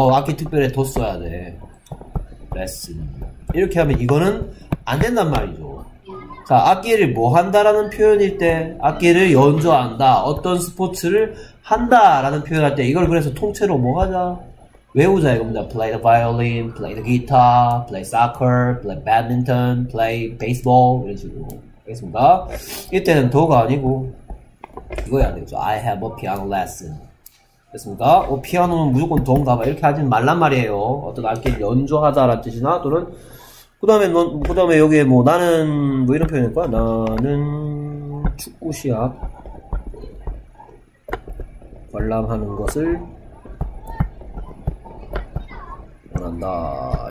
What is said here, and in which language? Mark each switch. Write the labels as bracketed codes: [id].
[ko] 악기 특별히 더 써야 돼. 레슨. 이렇게 하면 이거는 안 된단 말이죠. 자, 악기를 뭐 한다라는 표현일 때, 악기를 연주한다, 어떤 스포츠를 한다라는 표현할 때, 이걸 그래서 통째로 뭐 하자? 외우자 이겁니다. [en] play the violin, play the guitar, play soccer, play badminton, play baseball, [ko] 이런 식으로. 알겠습니다. 이때는 더가 아니고, 이거야 되죠. [en] I have a piano lesson. [ko] 됐습니까? 피아노는 무조건 더인가 봐. 이렇게 하진 말란 말이에요. 어떤 악기를 연주하자라는 뜻이나, 또는, 그 다음에 여기에 뭐 나는 뭐 이런 표현일 거야. 나는 축구 시합 관람하는 것을 원한다.